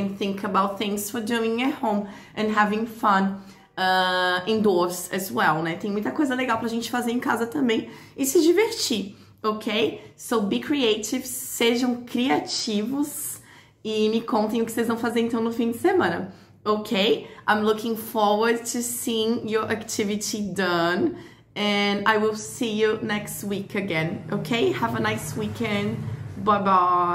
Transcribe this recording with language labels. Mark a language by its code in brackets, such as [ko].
[en] And think about things for doing at home and having fun indoors as well, né? [pt] Tem muita coisa legal pra gente fazer em casa também e se divertir, ok? [en] So be creative, [pt] sejam criativos e me contem o que vocês vão fazer então no fim de semana. [en] Okay, I'm looking forward to seeing your activity done and I will see you next week again. Okay, have a nice weekend. Bye bye.